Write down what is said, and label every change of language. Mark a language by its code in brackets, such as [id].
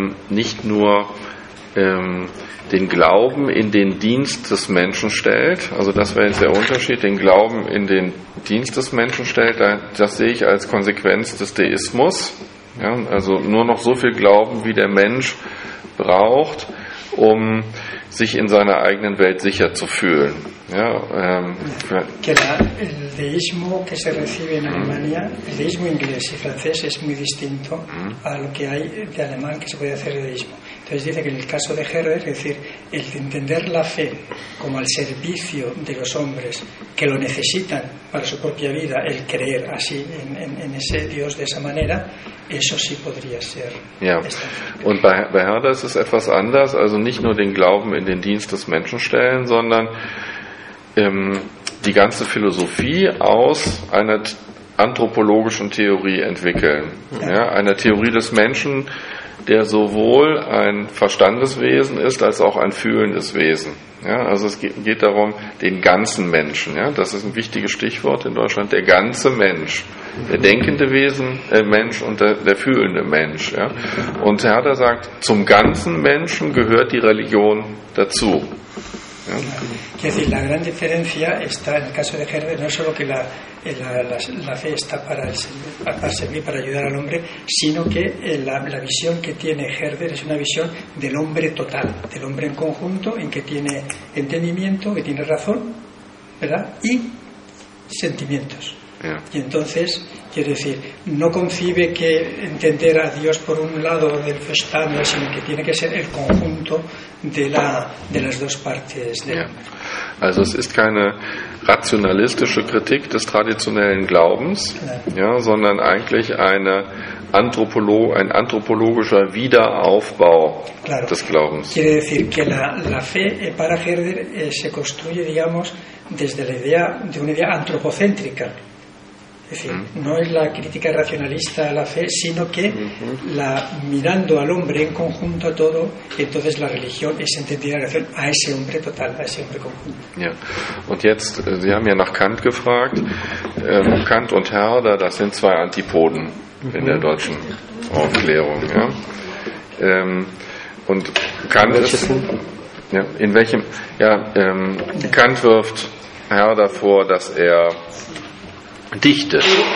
[de] nicht nur den Glauben in den Dienst des Menschen stellt, also das wäre jetzt der Unterschied, den Glauben in den Dienst des Menschen stellt, das sehe ich als Konsequenz des Deismus, ja, also nur noch so viel Glauben, wie der Mensch braucht, um sich in seiner eigenen Welt sicher zu fühlen. Ja, [es] el deísmo que se recibe en Alemania, el deísmo inglés y francés es muy distinto a lo que hay de alemán que se puede hacer de deísmo. Entonces dice que en el caso de Herder, es decir, el de entender la fe como al servicio de los hombres que lo necesitan para su propia vida, el creer así en ese Dios de esa manera, eso sí podría ser. [de] Ja. Und bei Herder ist es etwas anders, also nicht nur den Glauben in den Dienst des Menschen stellen, sondern die ganze Philosophie aus einer anthropologischen Theorie entwickeln. Ja, einer Theorie des Menschen, der sowohl ein Verstandeswesen ist, als auch ein fühlendes Wesen. Ja, also es geht darum, den ganzen Menschen. Ja, das ist ein wichtiges Stichwort in Deutschland, der ganze Mensch. Der denkende Wesen, Mensch und der fühlende Mensch. Ja. Und Herder sagt, zum ganzen Menschen gehört die Religion dazu. [es] Quiero decir, la gran diferencia está en el caso de Herder, no solo que la fe está para servir, para ayudar al hombre, sino que la visión que tiene Herder es una visión del hombre total, del hombre en conjunto, en que tiene entendimiento, que tiene razón, ¿verdad? Y sentimientos. Y entonces, quiere decir, no concibe que entender a Dios por un lado del Verstand, sino que tiene que ser el conjunto de las dos partes. De... [de] Ja. Also es ist keine rationalistische Kritik des traditionellen Glaubens, ja, sondern eigentlich ein anthropologischer Wiederaufbau, [es] claro, [de] des Glaubens. [es] Quiere decir que la fe para Herder se construye, digamos, desde la idea de una idea antropocéntrica. Es decir, no es la crítica racionalista a la fe, sino que la mirando al hombre en conjunto a todo, entonces la religión es entendida en relación a ese hombre total, a ese hombre conjunto. [de] Ja. Und jetzt, Sie haben ja nach Kant gefragt. Kant und Herder, das sind zwei Antipoden in der deutschen Aufklärung. Ja. Und Kant ist, ja, in welchem? Ja, Kant wirft Herder vor, dass er dichtet.